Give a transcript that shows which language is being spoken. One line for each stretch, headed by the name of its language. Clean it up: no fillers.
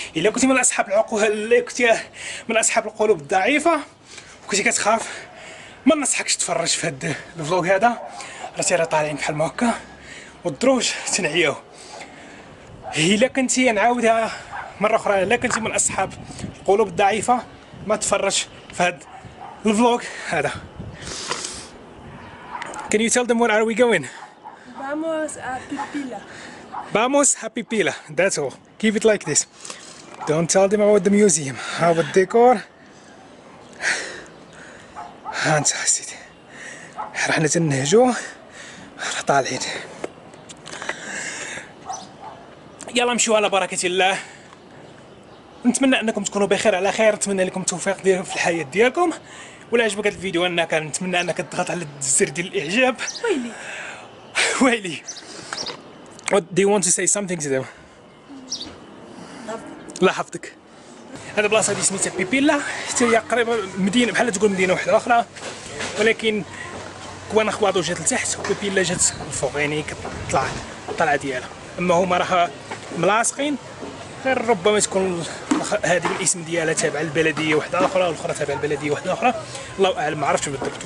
Arabic: الا كنتي من اصحاب العقول، كنتي من اصحاب القلوب الضعيفه وكنتي كتخاف، ما ننصحكش تفرج في هذا الفلوق هذا. راسي راه طالعين بحال ما هكا والدروج تنعيو. الا كنتي، نعاودها مره اخرى، الا كنتي من اصحاب القلوب الضعيفه ما تفرج في هذا الفلوغ هذا.
English: Can you tell them where are we going?
Spanish: Vamos a Pipila. Vamos a Pipila.
English: That's all. Keep it like this. Don't tell them about the museum. How about decor?
Arabic: هانت سيدي. رحنا تنهجو. راه طالعين. يلا مشيو على بركة الله. نتمنى انكم تكونوا بخير على خير، نتمنى لكم التوفيق ديالكم في الحياه ديالكم. ولا عجبك هذا الفيديو، انا كنتمنى انك تضغط على الزر ديال الاعجاب. ويلي ويلي.
English: Do you want to say something to them؟
Arabic: لا حفظك. هذا بلاصه دي سميتها بيبيلا، حتى هي قريبه مدينه، بحال تقول مدينه واحده اخرى، ولكن كوانا خواضو جات لتحت وبيبيلا جات الفوق، يعني كتطلع الطلعه ديالها. اما هما راه ملاصقين، غير ربما تكون هذه الاسم ديالها تابع البلديه وحده اخرى والاخرى تابع البلديه وحده اخرى، الله اعلم، ما عرفتش بالضبط.